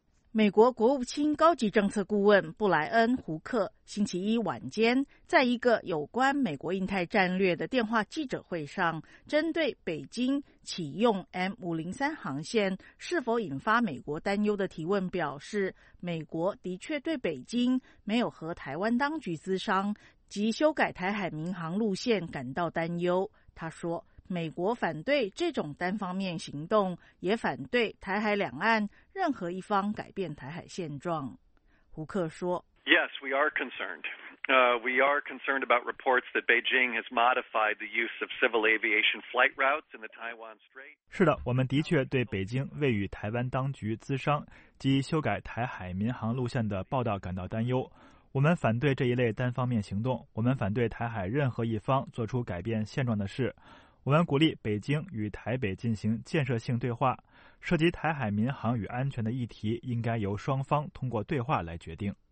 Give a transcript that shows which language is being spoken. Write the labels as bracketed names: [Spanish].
[Chinese] 美国国务卿高级政策顾问布莱恩·胡克星期一晚间在一个有关美国印太战略的电话记者会上，针对北京启用 M503 航线是否引发美国担忧的提问表示，美国的确对北京没有和台湾当局咨商及修改台海民航路线感到担忧。他说，美国反对这种单方面行动，也反对台海两岸任何一方改变台海现状。胡克说 [English] ：“Yes, we are concerned. We are concerned about reports that Beijing has modified the use of civil aviation flight routes in the Taiwan Strait.” [Chinese] 是的，我们的确对北京未与台湾当局咨商及修改台海民航路线的报道感到担忧。我们反对这一类单方面行动。我们反对台海任何一方做出改变现状的事。我们鼓励北京与台北进行建设性对话，涉及台海民航与安全的议题应该由双方通过对话来决定。